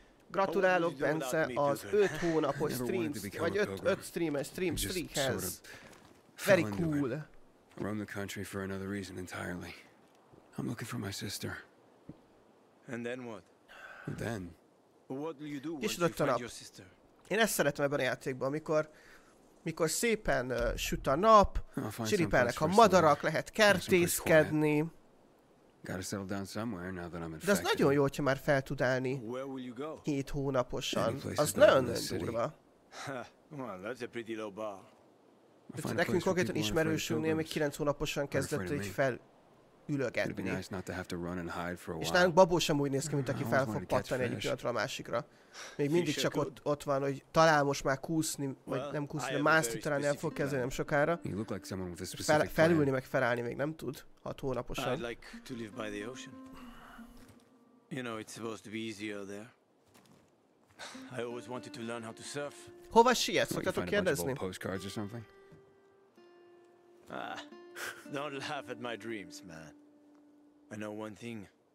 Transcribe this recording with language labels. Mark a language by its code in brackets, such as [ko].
[hu] Gratulálok Bence az 5 hónapos streams, vagy 5 streamer stream streakhez. [en] Very cool. I roam the country for another reason entirely. I'm looking for my sister. And then what? Then. What will you do when you find your sister? [hu] Én ezt szeretem ebben a játékban, amikor szépen süt a nap, csiripelnek a madarak, lehet kertészkedni. [en] Gotta settle down somewhere now that I'm infected. [hu] De az nagyon jó, hogyha már fel tud állni 7 hónaposan. Az nagyon durva. [en] Well, that's a pretty low bar. [hu] Nekünk konkrétan ismerősünknél még 9 hónaposan kezdett így felülögetni. [en] It'd be nice not to have to run and hide for a while. [hu] És nálunk babó sem úgy néz ki, mint aki fel fog pattani egyik pillanatra a másikra. Még mindig csak ott van, hogy talán most már kúszni, vagy nem kúszni, de mászni talán el fog kezdeni nem sokára. Felülni meg felállni még nem tud, 6 hónaposan. [en] I'd like to live by the ocean. You know, it's supposed to be easier there. I always wanted to learn how to surf. [hu] Hova siet? Szoktatok kérdezni? [en] Find a bunch of old postcards or something? Ah, don't laugh at my dreams, man. I know one thing.